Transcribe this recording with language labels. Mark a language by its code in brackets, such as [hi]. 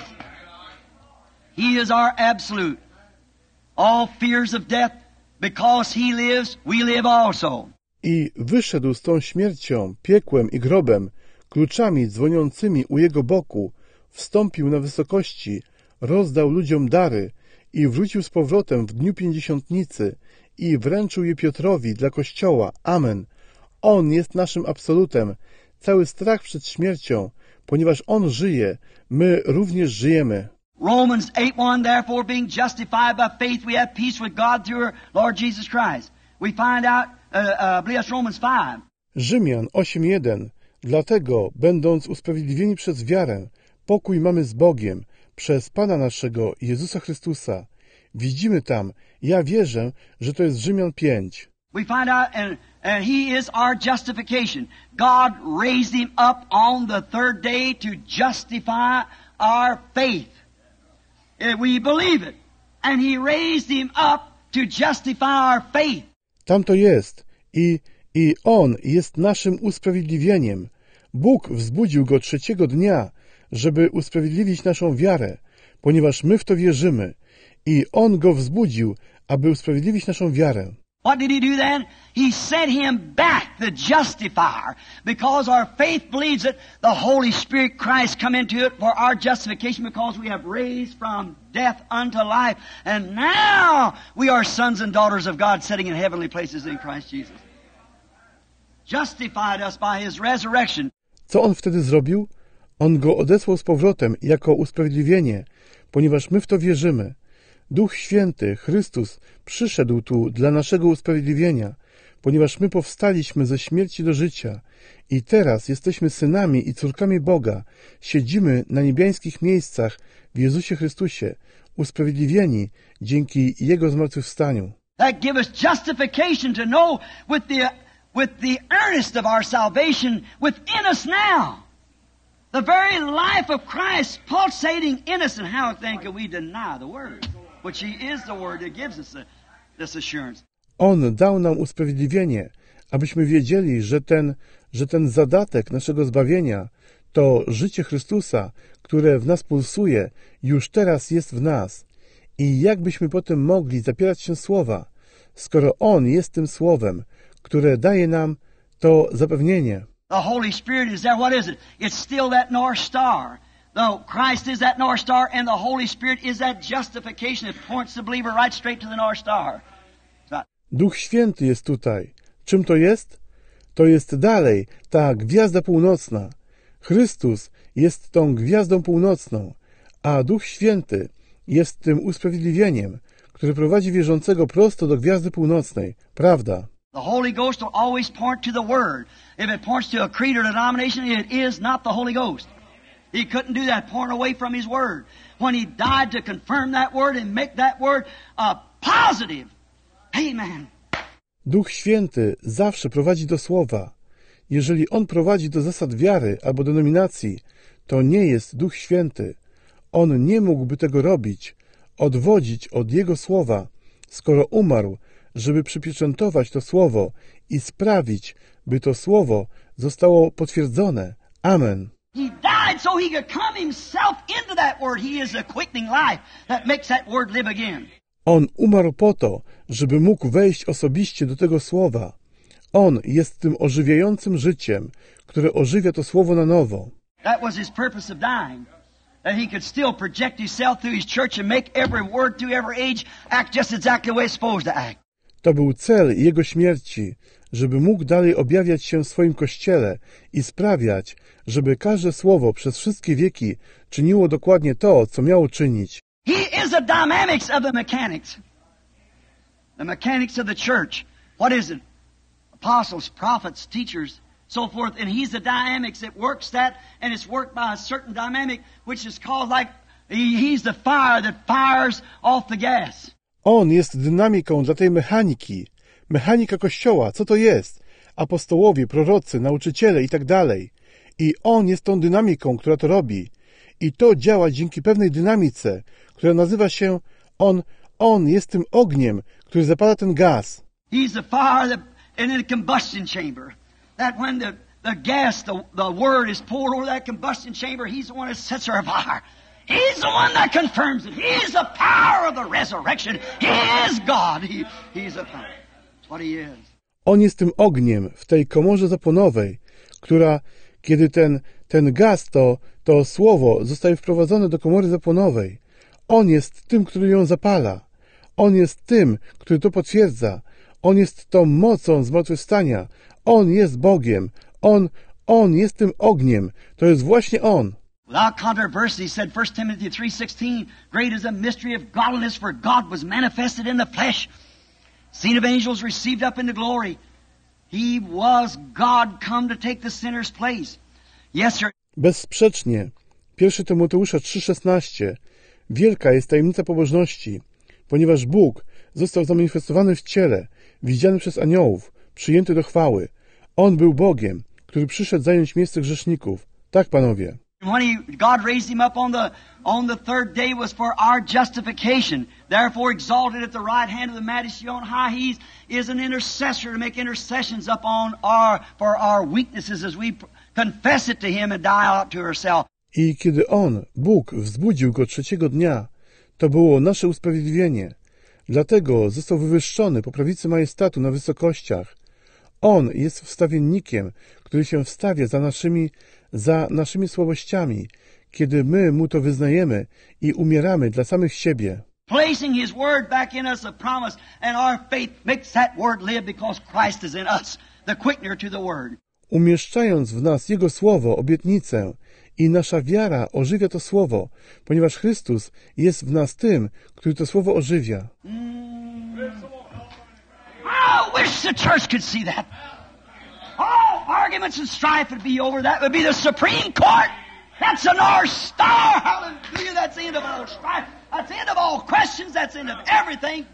[en] Amen. He is our absolute. All fears of death, because he lives, we live also. [pl] I wyszedł z tą śmiercią, piekłem i grobem, kluczami dzwoniącymi u jego boku, wstąpił na wysokości, rozdał ludziom dary i wrócił z powrotem w dniu Pięćdziesiątnicy i wręczył je Piotrowi dla Kościoła. Amen. On jest naszym absolutem. Cały strach przed śmiercią. Ponieważ on żyje, my również żyjemy. [en] Romans 8:1, therefore being justified by faith, we have peace with God through our Lord Jesus Christ. We find out, bless Romans 5. [pl] Rzymian 8:1. Dlatego, będąc usprawiedliwieni przez wiarę, pokój mamy z Bogiem przez Pana naszego Jezusa Chrystusa. Widzimy tam, ja wierzę, że to jest Rzymian 5. [en] We find out and he is our justification. God raised him up on the third day to justify our faith. We believe it. And he raised him up to justify our faith. [pl] Tam to jest. I on jest naszym usprawiedliwieniem. Bóg wzbudził go trzeciego dnia, żeby usprawiedliwić naszą wiarę, ponieważ my w to wierzymy. I on go wzbudził, aby usprawiedliwić naszą wiarę. [en] What did he do then? He sent him back, the justifier. Because our faith believes it, the Holy Spirit Christ come into it for our justification because we have raised from death unto life. And now we are sons and daughters of God sitting in heavenly places in Christ Jesus. Justified us by his resurrection. [pl] Co on wtedy zrobił? On go odesłał z powrotem jako usprawiedliwienie, ponieważ my w to wierzymy. Duch Święty, Chrystus, przyszedł tu dla naszego usprawiedliwienia, ponieważ my powstaliśmy ze śmierci do życia i teraz jesteśmy synami i córkami Boga, siedzimy na niebiańskich miejscach w Jezusie Chrystusie, usprawiedliwieni dzięki Jego zmartwychwstaniu. [en] That gives justification to know with the earnest of our salvation within us now. The very life of Christ pulsating in us, and how then can we deny the word? But he is the word that gives us this assurance. [pl] On dał nam usprawiedliwienie, abyśmy wiedzieli, że ten zadatek naszego zbawienia to życie Chrystusa, które w nas pulsuje, już teraz jest w nas. I jak byśmy potem mogli zapierać się Słowa, skoro On jest tym Słowem, które daje nam to zapewnienie? [en] The Holy Spirit is there. What is it? It's still that North Star. No, Christ is that North Star, and the Holy Spirit is that justification that points the believer right straight to the North Star. [pl] Duch Święty jest tutaj. Czym to jest? To jest dalej, ta gwiazda północna. Chrystus jest tą gwiazdą północną, a Duch Święty jest tym usprawiedliwieniem, które prowadzi wierzącego prosto do gwiazdy północnej. Prawda. [en] The Holy Ghost will always point to the Word. If it points to a creed or denomination, it is not the Holy Ghost. He couldn't do that, point away from His Word. When He died to confirm that Word and make that Word a positive. Amen. [pl] Duch Święty zawsze prowadzi do Słowa. Jeżeli On prowadzi do zasad wiary albo denominacji, to nie jest Duch Święty. On nie mógłby tego robić, odwodzić od Jego Słowa, skoro umarł, żeby przypieczętować to Słowo i sprawić, by to Słowo zostało potwierdzone. Amen. [en] He died so He could come Himself into that Word. He is the quickening life that makes that Word live again. [pl] On umarł po to, żeby mógł wejść osobiście do tego Słowa. On jest tym ożywiającym życiem, które ożywia to Słowo na nowo. [en] That was His purpose of dying. That He could still project Himself through His church and make every word through every age act just exactly the way it's supposed to act. [pl] To był cel Jego śmierci, żeby mógł dalej objawiać się w swoim Kościele i sprawiać, żeby każde słowo przez wszystkie wieki czyniło dokładnie to, co miało czynić. [en] He is the dynamics of the mechanics. The mechanics of the church. What is it? Apostles, prophets, teachers, so forth. And He's the dynamics that works that, and it's worked by a certain dynamic, which is called like, He's the fire that fires off the gas. [pl] On jest dynamiką dla tej mechaniki. Mechanika Kościoła, co to jest? Apostołowie, prorocy, nauczyciele i tak dalej. I On jest tą dynamiką, która to robi. I to działa dzięki pewnej dynamice, która nazywa się On. On jest tym ogniem, który zapala ten gaz. [en] He's the fire that, in the combustion chamber. That when the gas, the word is poured over that combustion chamber, He's the one that sets her afire. He's the one that confirms it. He is the power of the resurrection. He is God. He's the power. That's what He is. [pl] On jest tym ogniem w tej komorze zapłonowej, która, kiedy ten gaz, to słowo zostaje wprowadzone do komory zapłonowej. On jest tym, który ją zapala. On jest tym, który to potwierdza. On jest tą mocą zmartwychwstania. On jest Bogiem. On jest tym ogniem. To jest właśnie On. [en] Without controversy, said 1 Timothy 3:16, great is the mystery of godliness, for God was manifested in the flesh, seen of angels, received up into glory. He was God come to take the sinner's place. Yes, sir. [pl] Bezsprzecznie, 1 Tymoteusza 3:16, wielka jest tajemnica pobożności, ponieważ Bóg został zamanifestowany w ciele, widziany przez aniołów, przyjęty do chwały. On był Bogiem, który przyszedł zająć miejsce grzeszników. Tak, panowie. [en] When God raised Him up on the third day was for our justification. Therefore exalted at the right hand of the Majesty on high, He is an intercessor to make intercessions up on our for our weaknesses as we confess it to Him and die out to ourselves. [pl] I kiedy On, Bóg, wzbudził Go trzeciego dnia, to było nasze usprawiedliwienie. Dlatego został wywyższony po prawicy majestatu na wysokościach. On jest wstawiennikiem, który się wstawia za naszymi słabościami, kiedy my Mu to wyznajemy i umieramy dla samych siebie. [en] Placing His Word back in us, a promise, and our faith makes that Word live because Christ is in us, the quickener to the Word. [pl] Umieszczając w nas Jego Słowo, obietnicę, i nasza wiara ożywia to Słowo, ponieważ Chrystus jest w nas tym, który to Słowo ożywia. [en] I wish the church could see that. Arguments and strife would be over. That would be the Supreme Court. That's the North Star. Hallelujah. That's the end of all strife. That's the end of all questions. That's the end of everything.